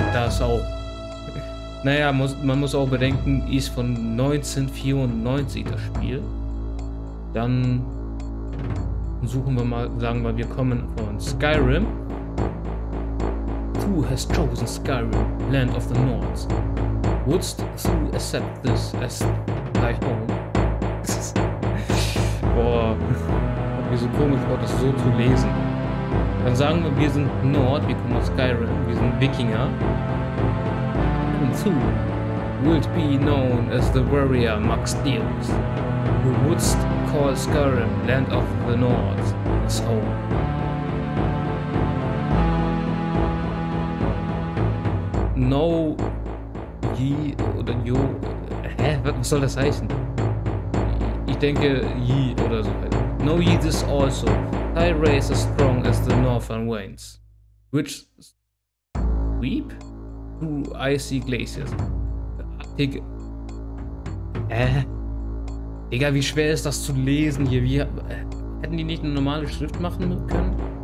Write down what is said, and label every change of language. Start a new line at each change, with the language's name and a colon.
German: Sau. Naja, man muss auch bedenken, ist von 1994 das Spiel. Dann suchen wir mal, sagen wir, wir kommen von Skyrim.
English: Who has chosen Skyrim, Land of the Nords? Wouldst du accept this as thy home?
German: Boah, hat mir so komisch vor, das so zu lesen. Dann sagen wir sind Nord, wir kommen aus Skyrim, wir sind Wikinger.
English: And who would be known as the warrior Maxdeus, who wouldst call Skyrim, Land of the Nords, his home?
German: No, je oder jo, hä, was soll das heißen? Ich denke, je oder so weiter.
English: Know ye this also, thy race as strong as the northern winds, which sweep through icy glaciers.
German: Digga, wie schwer ist das zu lesen hier? Hätten die nicht eine normale Schrift machen können?